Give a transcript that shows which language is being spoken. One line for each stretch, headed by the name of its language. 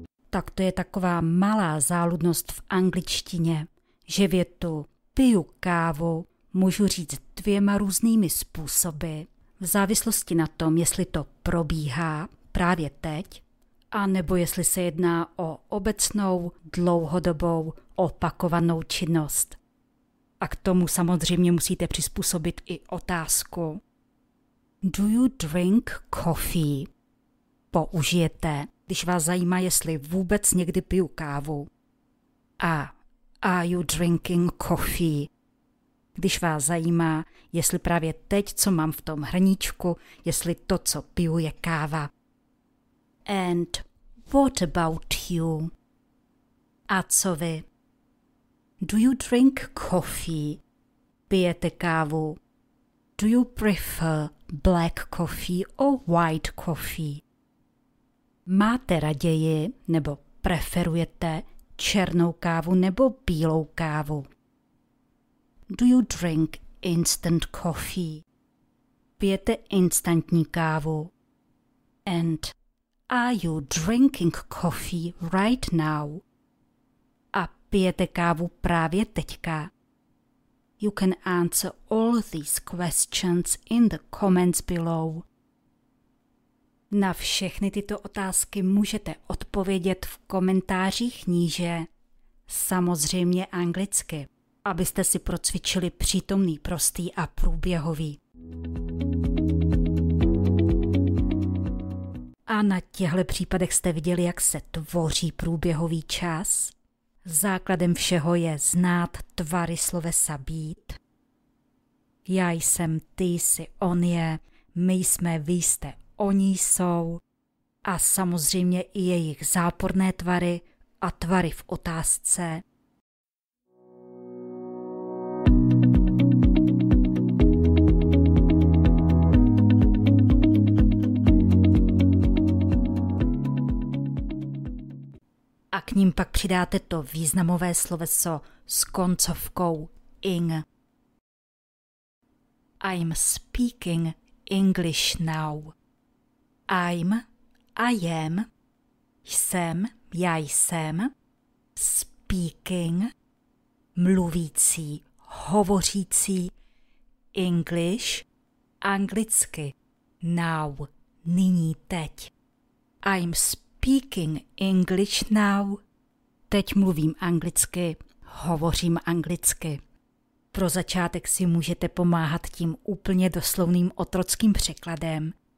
Czech: Tak to je taková malá záludnost v angličtině, že větu piju kávu můžu říct dvěma různými způsoby, v závislosti na tom, jestli to probíhá právě teď, a nebo jestli se jedná o obecnou, dlouhodobou, opakovanou činnost. A k tomu samozřejmě musíte přizpůsobit i otázku.
English: Do you drink coffee?
Czech: Použijete, když vás zajímá, jestli vůbec někdy piju kávu.
English: A are you drinking coffee?
Czech: Když vás zajímá, jestli právě teď, co mám v tom hrníčku, jestli to, co piju, je káva.
English: And what about you?
Czech: A co vy?
English: Do you drink coffee?
Czech: Pijete kávu?
English: Do you prefer black coffee or white coffee?
Czech: Máte raději nebo preferujete černou kávu nebo bílou kávu?
English: Do you drink instant coffee?
Czech: Pijete instantní kávu?
English: And are you drinking coffee right now?
Czech: A pijete kávu právě teďka?
English: You can answer all these questions in the comments below.
Czech: Na všechny tyto otázky můžete odpovědět v komentářích níže, samozřejmě anglicky, abyste si procvičili přítomný, prostý a průběhový. A na těchto případech jste viděli, jak se tvoří průběhový čas. Základem všeho je znát tvary slovesa být. Já jsem, ty jsi, on je, my jsme, vy jste, oni jsou. A samozřejmě i jejich záporné tvary a tvary v otázce. A k ním pak přidáte to významové sloveso s koncovkou ing.
English: I'm speaking English now. I'm, I am,
Czech: jsem, já jsem,
English: speaking,
Czech: mluvící, hovořící,
English: English,
Czech: anglicky,
English: now,
Czech: nyní, teď.
English: I'm speaking English now.
Czech: Teď mluvím anglicky, hovořím anglicky. Pro začátek si můžete pomáhat tím úplně doslovným otrockým překladem.